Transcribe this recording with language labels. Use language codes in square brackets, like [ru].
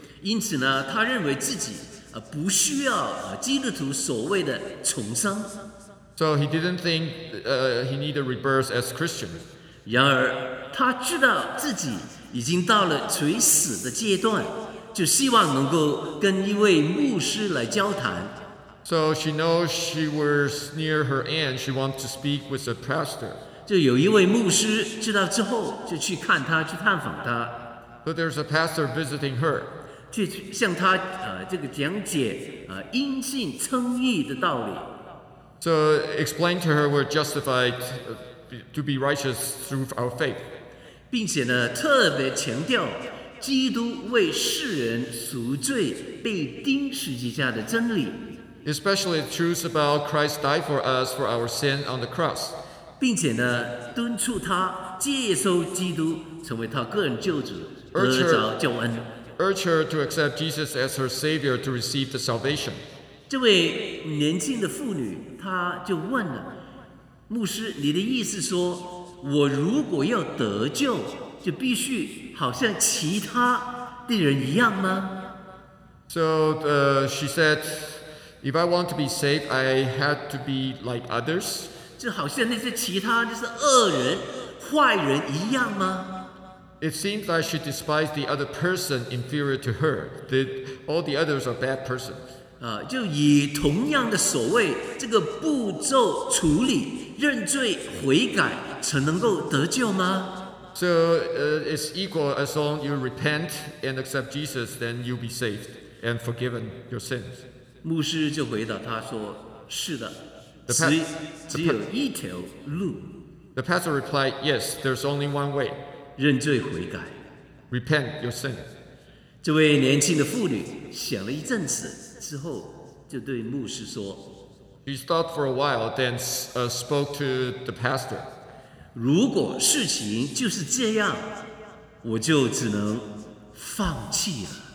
[zh] 因此呢，她认为自己不需要基督徒所谓的重生。 [en] So he didn't think he needed rebirth as Christian. [zh] 然而，她知道自己已经到了垂死的阶段，就希望能够跟一位牧师来交谈。 [en] So she knows she was near her end. She wants to speak with a pastor. [zh] 就有一位牧师知道之后，就去看她，去探访她。 [en] So there's a pastor visiting her. [zh] 去向她这个讲解因信称义的道理。 [en] So explain to her we're justified to be righteous through our faith. [zh] 并且呢，特别强调基督为世人赎罪、被钉十字架的真理。 [en] Especially the truth about Christ died for us for our sin on the cross. [zh] 并且呢，敦促他接受基督成为他个人救主，得着救恩。 [en] Urge her to accept Jesus as her Savior to receive the salvation. [zh] 这位年轻的妇女，她就问了牧师：“你的意思说，我如果要得救，就必须好像其他的人一样吗？” [en] So she said. If I want to be saved, I have to be like others. [zh] 就好像那些其他就是恶人、坏人一样吗？ [en] It seems like she despised the other person inferior to her. That all the others are bad persons. [zh] 就以同样的所谓这个步骤处理认罪悔改，才能够得救吗？ [en] So it's equal as long you repent and accept Jesus, then you'll be saved and forgiven your sins. [zh] 牧师就回答他说：“是的，只有一条路。” [en] The pastor replied, "Yes, there's only one way." [zh] 认罪悔改。 [en] Repent your sin. [zh] 这位年轻的妇女想了一阵子之后，就对牧师说 [en] ：“She thought for a while, then spoke to the pastor.” [zh] 如果事情就是这样，我就只能放弃了。